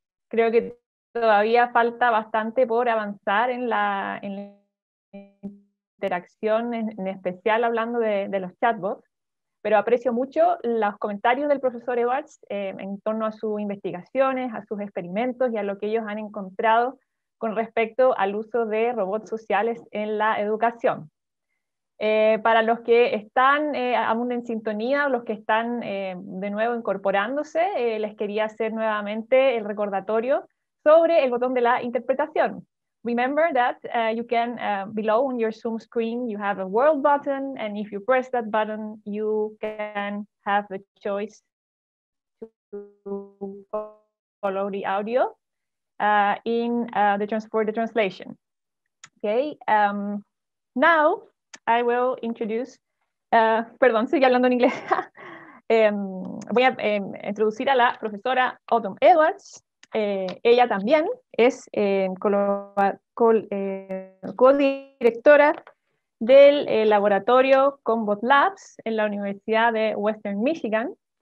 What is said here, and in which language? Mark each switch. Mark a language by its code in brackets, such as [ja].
[es] Creo que todavía falta bastante por avanzar en la interacción, en especial hablando de los chatbots, pero aprecio mucho los comentarios del profesor Edwards en torno a sus investigaciones, a sus experimentos y a lo que ellos han encontrado con respecto al uso de robots sociales en la educación. Para los que están aún en sintonía, los que están de nuevo incorporándose, les quería hacer nuevamente el recordatorio sobre el botón de la interpretación. [en] Remember that you can, below on your Zoom screen, you have a world button, and if you press that button, you can have the choice to follow the audio in the for the translation. Okay, now, I will introduce, [es] perdón, sigue hablando en inglés. voy a introducir a la profesora Autumn Edwards. Ella también es co-directora del laboratorio Combot Labs en la Universidad de Western Michigan.